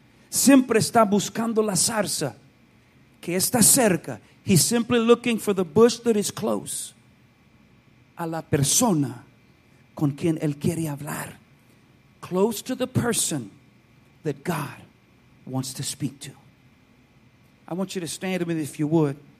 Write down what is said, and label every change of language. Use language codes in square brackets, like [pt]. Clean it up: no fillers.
[es] Siempre está buscando la zarza que está cerca. [en] He's simply looking for the bush that is close. [es] A la persona con quien él quiere hablar. [en] Close to the person that God wants to speak to. I want you to stand with me if you would.